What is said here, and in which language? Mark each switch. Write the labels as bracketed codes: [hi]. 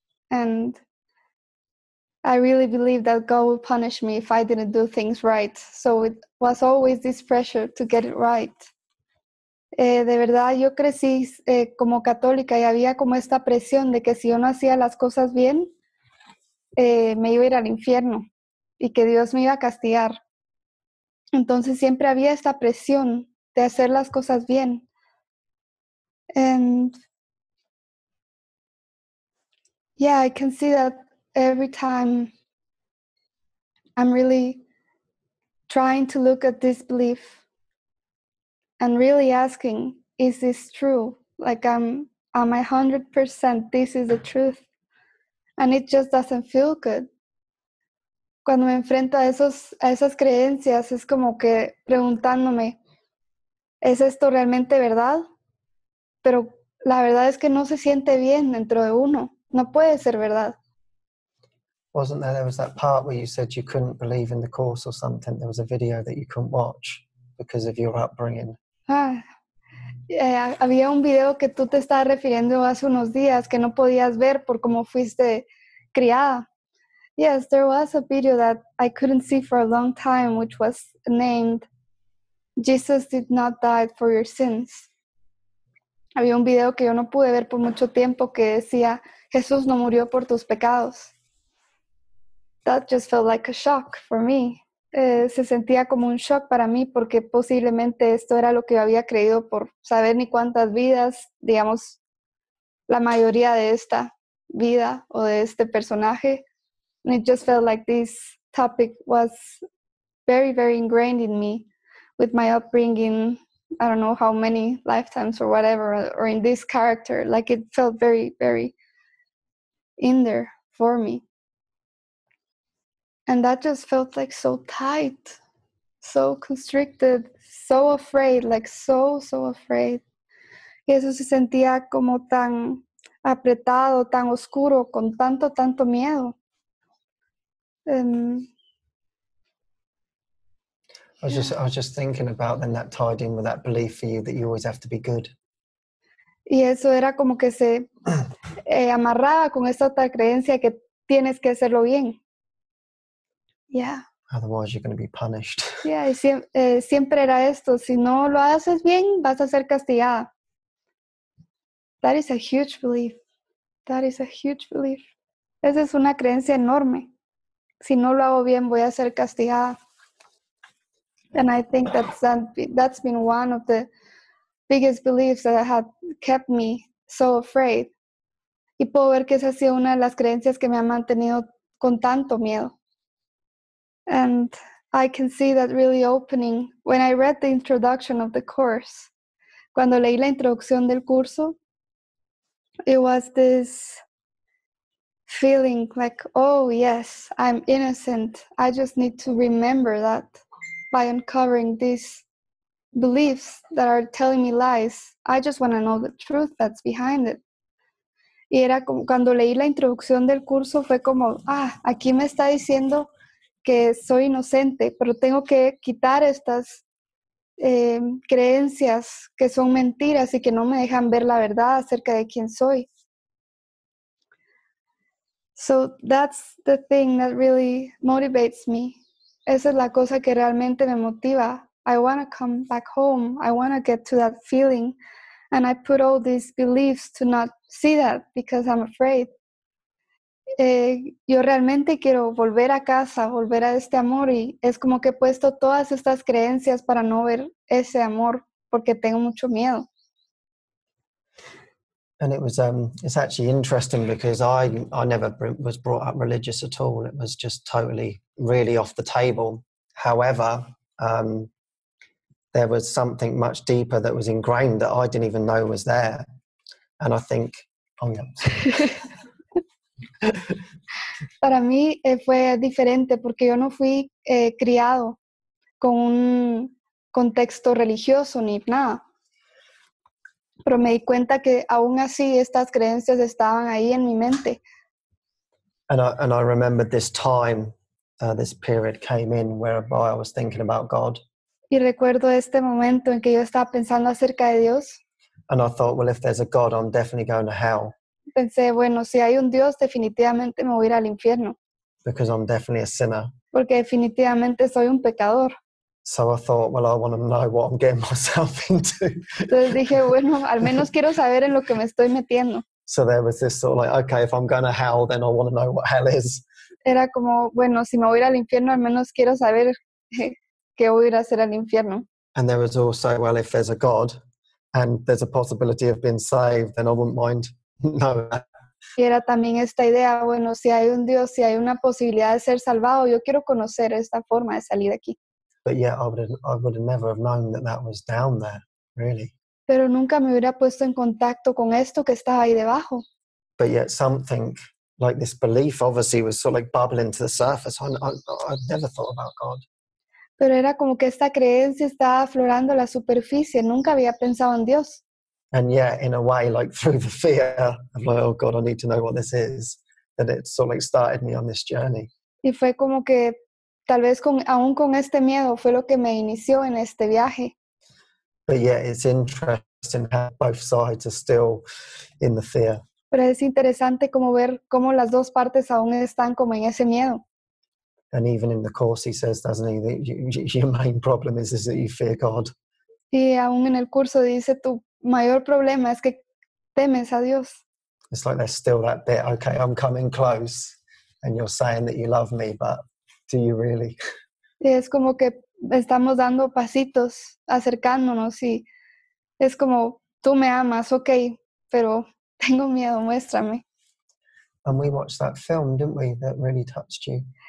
[en] And I really believed that God would punish me if I didn't do things right. So it was always this pressure to get it right. [es] De verdad, yo crecí como católica y había como esta presión de que si yo no hacía las cosas bien, me iba a ir al infierno y que Dios me iba a castigar. Entonces siempre había esta presión de hacer las cosas bien. [en] And yeah, I can see that every time I'm really trying to look at this belief and really asking, is this true? Like, am I 100% this is the truth? And it just doesn't feel good. [es] Cuando me enfrento a esas creencias, es como que preguntándome, ¿es esto realmente verdad? Pero la verdad es que no se siente bien dentro de uno. No puede ser verdad. [en] Wasn't there was that part where you said you couldn't believe in the course or something? There was a video that you couldn't watch because of your upbringing. [es] Había un video que tú te estabas refiriendo hace unos días que no podías ver por cómo fuiste criada. [en] Yes, there was a video that I couldn't see for a long time, which was named Jesus Did Not Die for Your Sins. [es] Había un video que yo no pude ver por mucho tiempo que decía Jesús no murió por tus pecados. [en] That just felt like a shock for me. [es] Se sentía como un shock para mí porque posiblemente esto era lo que yo había creído por saber ni cuántas vidas, digamos, la mayoría de esta vida o de este personaje. [en] And it just felt like this topic was very, very ingrained in me with my upbringing. I don't know how many lifetimes or whatever, or in this character, like it felt very, very in there for me. And that just felt like so tight, so constricted, so afraid, like so, so afraid. [es] Y eso se sentía como tan apretado, tan oscuro, con tanto, tanto miedo. [en] I was just thinking about then that tied in with that belief for you that you always have to be good. [es] Y eso era como que se amarraba con esta otra creencia que tienes que hacerlo bien. Yeah. [en] Otherwise, you're going to be punished. [es] Yeah, y siempre era esto. Si no lo haces bien, vas a ser castigada. [en] That is a huge belief. That is a huge belief. [es] Esa es una creencia enorme. Si no lo hago bien, voy a ser castigada. [en] And I think that's been one of the biggest beliefs that had kept me so afraid. [es] Y puedo ver que esa ha sido una de las creencias que me ha mantenido con tanto miedo. [en] And I can see that really opening when I read the introduction of the course. [es] Cuando leí la introducción del curso, [en] it was this feeling like, oh yes, I'm innocent. I just need to remember that by uncovering these beliefs that are telling me lies. I just want to know the truth that's behind it. [es] Y era como cuando leí la introducción del curso, fue como, ah, aquí me está diciendo que soy inocente, pero tengo que quitar estas creencias que son mentiras y que no me dejan ver la verdad acerca de quién soy. [en] So that's the thing that really motivates me. [es] Esa es la cosa que realmente me motiva. [en] I want to come back home. I want to get to that feeling. And I put all these beliefs to not see that because I'm afraid. [es] Yo realmente quiero volver a casa, volver a este amor. Y es como que he puesto todas estas creencias para no ver ese amor porque tengo mucho miedo. [en] And it was it's actually interesting because I never was brought up religious at all. It was just totally really off the table. However, there was something much deeper that was ingrained that I didn't even know was there. And I think, oh yeah. [es] Para mí fue diferente porque yo no fui criado con un contexto religioso ni nada. Pero me di cuenta que aún así estas creencias estaban ahí en mi mente. [en] And I remember this time, this period came in whereby I was thinking about God. [es] Y recuerdo este momento en que yo estaba pensando acerca de Dios. [en] And I thought, well, if there's a God, I'm definitely going to hell. [es] Pensé, bueno, si hay un Dios, definitivamente me voy a ir al infierno. [en] Because I'm definitely a sinner. [es] Porque definitivamente soy un pecador. [en] So I thought, well, I want to know what I'm getting myself into. [es] Entonces dije, bueno, al menos quiero saber en lo que me estoy metiendo. [en] So there was this sort of like, okay, if I'm going to hell, then I want to know what hell is. [es] Era como, bueno, si me voy a ir al infierno, al menos quiero saber qué voy a ir a hacer al infierno. [en] And there was also, well, if there's a God and there's a possibility of being saved, then I wouldn't mind knowing that. [es] Y era también esta idea, bueno, si hay un Dios, si hay una posibilidad de ser salvado, yo quiero conocer esta forma de salir de aquí. [en] But yeah, I would have never have known that that was down there, really. [es] Pero nunca me hubiera puesto en contacto con esto que estaba ahí debajo. [en] But yet something like this belief obviously was sort of like bubbling to the surface. I've never thought about God. [es] Pero era como que esta creencia estaba aflorando la superficie. Nunca había pensado en Dios. [en] And yet, in a way, like through the fear of like, oh God, I need to know what this is, that it sort of like started me on this journey. [es] Y fue como que tal vez aún con este miedo fue lo que me inició en este viaje. [en] But yeah, it's interesting how both sides are still in the fear. [es] Pero es interesante como ver cómo las dos partes aún están como en ese miedo. [en] And even in the course he says, doesn't he, that your main problem is that you fear God. [es] Y aún en el curso dice, tu mayor problema es que temes a Dios. [en] It's like there's still that bit, okay, I'm coming close and you're saying that you love me, but do you really? [es] Es como que estamos dando pasitos, acercándonos, y es como, tú me amas, okay, pero tengo miedo, muéstrame. [en] And we watched that film, didn't we, that really touched you?